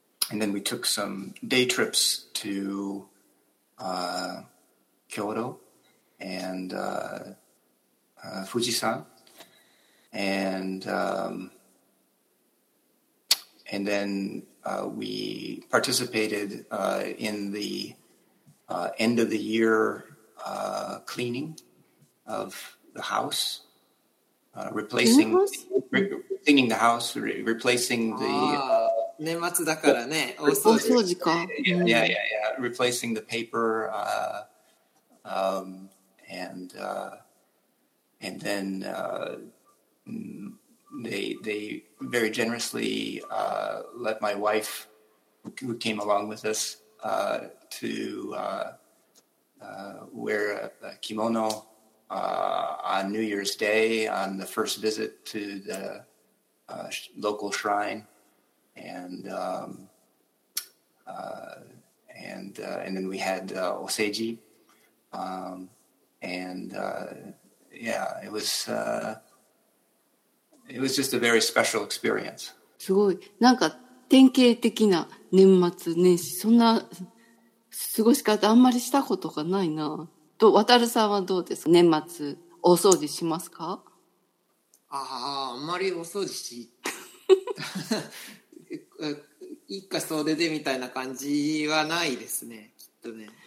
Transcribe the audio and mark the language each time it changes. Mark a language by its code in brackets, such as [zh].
[en] then we took some day trips to Kyoto and Fujisan, and then we participated in the end of the year cleaning of the house, [ja] 年末？ [en] cleaning the house, re replacing the [ja] ああ、年末だからね、大掃除。大掃除か。 [en] replacing the paper, and then they very generously let my wife, who came along with us, to wear a kimono on New Year's Day, on the first visit to the local shrine, and then we had Oseji, it was just a very special experience. [ja] すごい、なんか典型的な年末年始、そんな過ごし方あんまりしたことがないな。と、渡さんはどうですか？年末、大掃除しますか？ああ、あんまりお掃除し、一家総出でみたいな感じはないですね、きっとね。